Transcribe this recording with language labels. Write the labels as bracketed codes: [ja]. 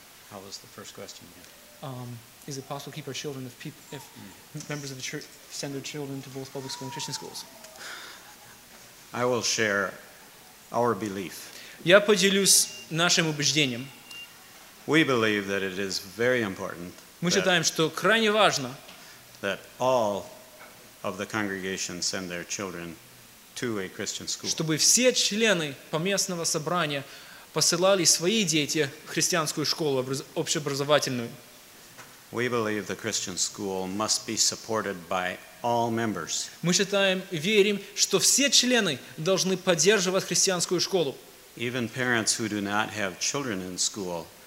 [en] How was the first question? Is it possible to keep our children if members of the church send their children to both public school and Christian schools? I will share our belief. [ru] Я поделюсь нашим убеждением. [en] We believe that it is very important. [ru] Мы считаем, что крайне важно. [en] That all of the congregation send their children to a Christian school. [ru] Чтобы все члены поместного собрания посылали свои дети в христианскую школу общеобразовательную. [en] We believe the Christian school must be supported by all members. [ru] Мы считаем, верим, что все члены должны поддерживать христианскую школу. [en] Even parents who do not have children in school.